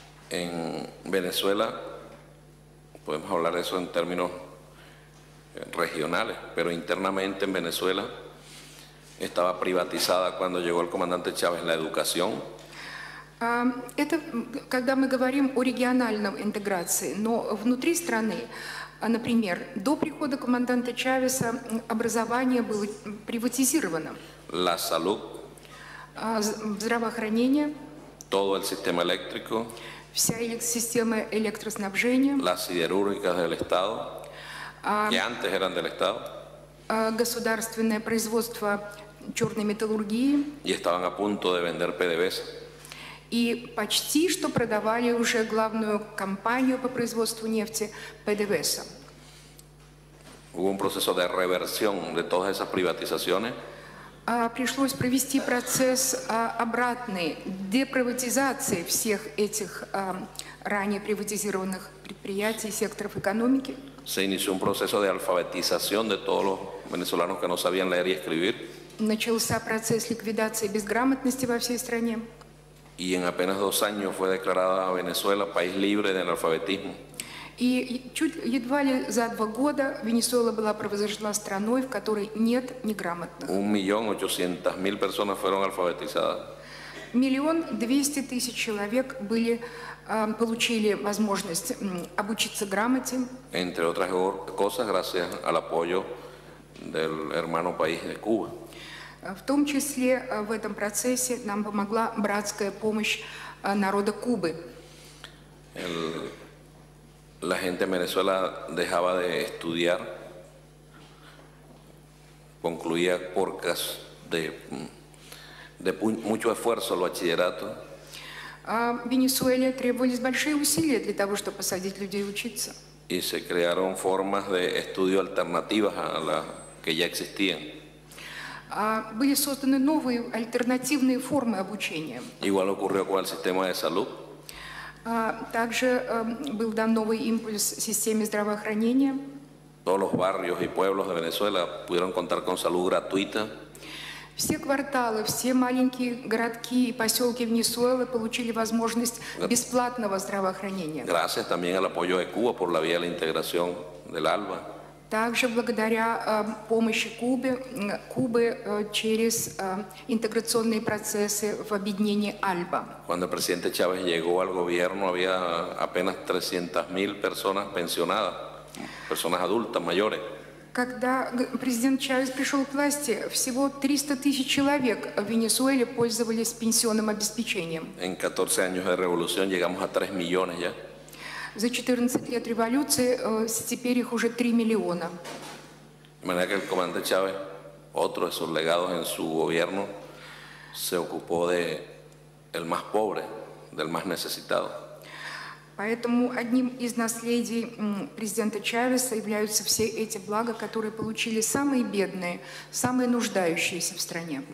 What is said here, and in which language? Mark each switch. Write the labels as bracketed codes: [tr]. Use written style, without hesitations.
[es] En Venezuela podemos hablar de eso en términos regionales, pero internamente en Venezuela estaba privatizada cuando llegó el comandante Chávez la educación. [ru] Это когда мы говорим о региональном интеграции, но внутри страны, например, до прихода команданта Чавеса образование было приватизировано. [es] La salud. [ru] Здравоохранение. [es] Todo el sistema eléctrico. [ru] Вся система электроснабжения. [es] Las siderúrgicas del Estado. Que antes eran del Estado. [ru] Государственное производство черной металлургии. [es] Y estaban a punto de vender PDVSA. [ru] И почти что продавали уже главную компанию по производству нефти ПДВСА. [es] Hubo un proceso de reversión de todas esas privatizaciones. [ru] Пришлось провести процесс обратной деприватизации всех этих ранее приватизированных предприятий, секторов экономики. [es] Se inició un proceso de alfabetización de todos los venezolanos que no sabían leer y escribir. [ru] Начался процесс ликвидации безграмотности во всей стране. [es] Y en apenas dos años fue declarada Venezuela país libre de analfabetismo. [ru] Y чуть едва ли за два года Венесуэла была провозглашена страной, в которой нет неграмотных. [es] 1,800,000 personas fueron alfabetizadas. [ru] 1,200,000 человек были получили возможность обучиться грамоте. [es] Entre otras cosas, gracias al apoyo del hermano país de Cuba. [ru] В том числе в этом процессе нам помогла братская помощь народа Кубы. [es] La gente en Venezuela dejaba de estudiar, concluía por de mucho esfuerzo el bachillerato. [ru] Венесуэле требовались большие усилия для того, чтобы посадить людей учиться. [es] Y se crearon formas de estudio alternativas a las que ya existían. [ru] Были созданы новые альтернативные формы обучения. [es] Igual ocurrió con el sistema de salud. [ru] Также был дан новый импульс системе здравоохранения. [es] Todos los barrios y pueblos de Venezuela pudieron contar con salud gratuita. [ru] Все кварталы, все маленькие городки и поселки Венесуэлы получили возможность бесплатного здравоохранения. [es] Gracias también al apoyo de Cuba por la vía de la integración del ALBA. [ru] Также благодаря помощи Кубы через интеграционные процессы в объединении ALBA. [es] Cuando el presidente Chávez llegó al gobierno había apenas 300.000 personas pensionadas, personas adultas, mayores. [ru] Когда президент Чавес пришел к власти, всего 300 тысяч человек в Венесуэле пользовались пенсионным обеспечением. [es] En 14 años de revolución llegamos a 3 millones ya. [ru] За 14 лет революции теперь их уже 3 миллиона. [es] De manera que el comandante Chávez, otro de sus legados en su gobierno, se ocupó de el más pobre, del más necesitado. [ru] Поэтому одним из наследий президента Чавеса являются все эти блага, которые получили самые бедные, самые нуждающиеся в стране.